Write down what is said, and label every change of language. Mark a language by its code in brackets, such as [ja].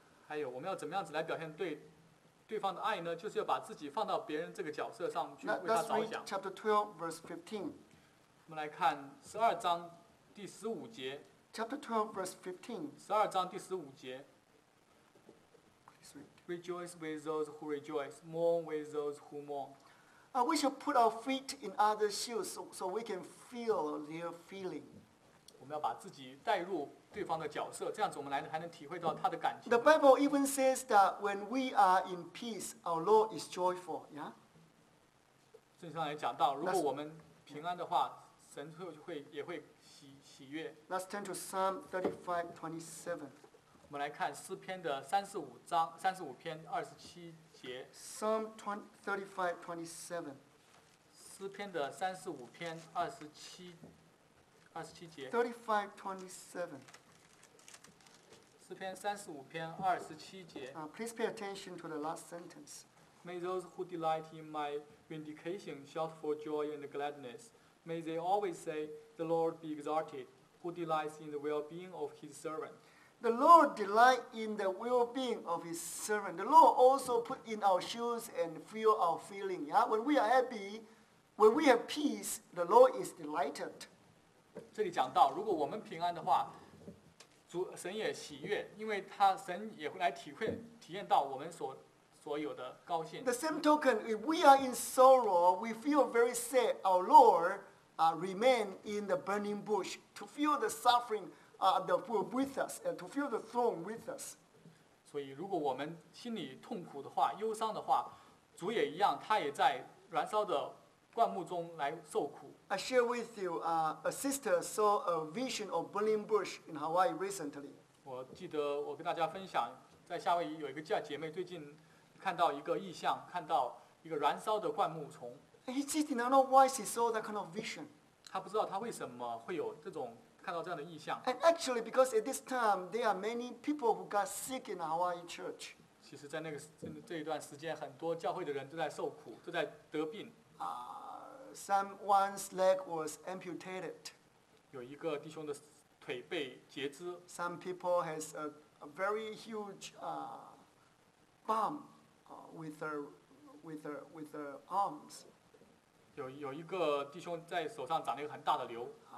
[zh] 还有，我们要怎么样子来表现对方的爱呢？就是要把自己放到别人这个角色上去为他着想。 [en] Let's read chapter 12, verse 15. [zh] 我们来看十二章第十五节。 [en] Chapter 12, verse 15. [zh] 十二章第十五节。 [en] Rejoice with those who rejoice, mourn with those who mourn. We should put our feet in other shoes so we can feel their feeling. [zh] 我们要把自己带入对方的角色，这样子我们还能体会到他的感情。 [en] The Bible even says that when we are in peace, our Lord is joyful. Yeah. [zh] 圣经上也讲到，如果我们平安的话，神也会喜悦。 [en] Let's turn to Psalm 35:27. [zh] 我们来看诗篇的三十五篇二十七节。节。 [en] Psalm 35:27。 [zh] 诗篇的三十五篇二十七，二十七节。 35:27。诗篇三十五篇二十七节。 [en] Please pay attention to the last sentence. May those who delight in my vindication shout for joy and gladness. May they always say, "The Lord be exalted." Who delights in the well-being of His servant? The Lord delight in the well-being of His servant. The Lord also put in our shoes and feel our feeling. Yeah, when we are happy, when we have peace, the Lord is delighted. [zh] 这里讲到，如果我们平安的话。神也喜悦，因为他神也会来体会体验到我们所有的高兴。 [en] The same token, if we are in sorrow, we feel very sad. Our Lord, remain in the burning bush to feel the suffering, with us and to feel the thorn with us. [zh] 所以，如果我们心里痛苦的话、忧伤的话，主也一样，他也在燃烧的灌木中来受苦。 [en] I share with you, a sister saw a vision of burning bush in Hawaii recently. [zh] 我记得我跟大家分享，在夏威夷有一个姐妹最近看到一个异象，看到一个燃烧的灌木丛。 [en] He just did not know why she saw that kind of vision. [zh] 她不知道她为什么会有这种看到这样的异象。 [en] And actually, because at this time there are many people who got sick in Hawaii church. [zh] 其实，在那个这一段时间，很多教会的人都在受苦，都在得病。 [en] Someone's leg was amputated. [zh] 有一个弟兄的腿被截肢。 [en] Some people has a very huge bump with their arms. [zh] 有一个弟兄在手上长了一个很大的瘤。